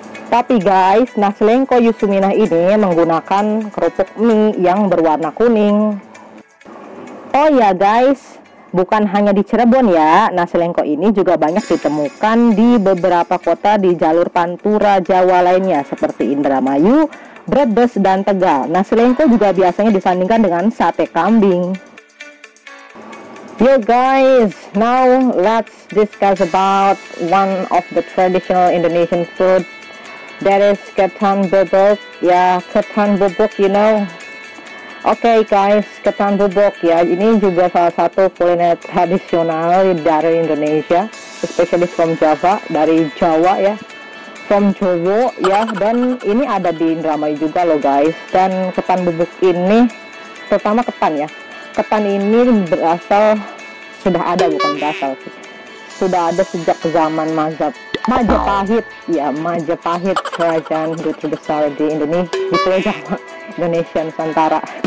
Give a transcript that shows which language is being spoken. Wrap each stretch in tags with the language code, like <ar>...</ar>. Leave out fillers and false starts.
<id>Tapi guys, nasi lengko Yusuminah ini menggunakan kerupuk mie yang berwarna kuning. Oh ya guys, bukan hanya di Cirebon ya, nasi lengko ini juga banyak ditemukan di beberapa kota di jalur Pantura Jawa lainnya seperti Indramayu, Brebes, dan Tegal. Nasi lengko juga biasanya disandingkan dengan sate kambing.</id> <en>Yo guys, now let's discuss about one of the traditional Indonesian food, that is ketan bubuk.</en> <id>Ya, ketan bubuk,</id> <en>you know.</en> <id>Oke guys, ketan bubuk ya, ini juga salah satu kuliner tradisional dari Indonesia. spesialis</id> <en>from Java,</en> <id>dari Jawa ya, from Jowo ya, dan ini ada di Indramayu juga loh guys. Dan ketan bubuk ini, terutama ketan ya, ketan ini berasal, sudah ada bukan berasal sih, sudah ada sejak zaman Majapahit, ya Majapahit, kerajaan hidup terbesar di Indonesia, di Pulau Jawa, Indonesia Nusantara.</id>